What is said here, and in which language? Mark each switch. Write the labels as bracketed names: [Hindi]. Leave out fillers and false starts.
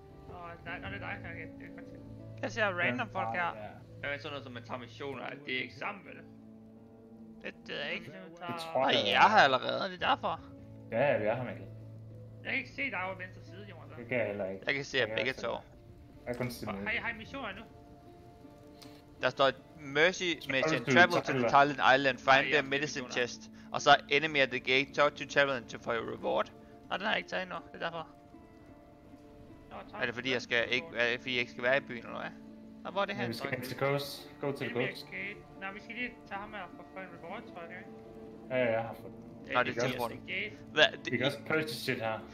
[Danish] Åh, det er dig, Høge. Jeg ser random folk her. Ja. Jeg ved sådan noget, som at tage missioner, at det er ikke sammen, vel? Det er ikke. Det tror jeg. Jeg er her allerede, er det derfor? Ja, ja, vi er her, Mikkel. Jeg kan ikke se dig over venstre side, Jonas. Det kan jeg heller ikke. Jeg kan se jer begge to. Jeg kan se mig. Har I missioner nu? Der står [English] Mercy mission, travel to the Thailand island, find their medicine chest, [Danish] og så [English] enemy at the gate, talk to Thailand to for your reward. [Danish] Nå, den har jeg ikke taget endnu, det er derfor. Er det fordi jeg skal ikke, skal være i byen, eller hvad? Nå, hvor er det her? Vi skal hen til Ghost, [English] go to the Ghost. [Danish] Nå, vi skal lige tage ham her for at få en reward, tror jeg. Ja, ja, jeg har fået. Nå, det er telefonen. Hvad? Det, vi kan også purchase shit her.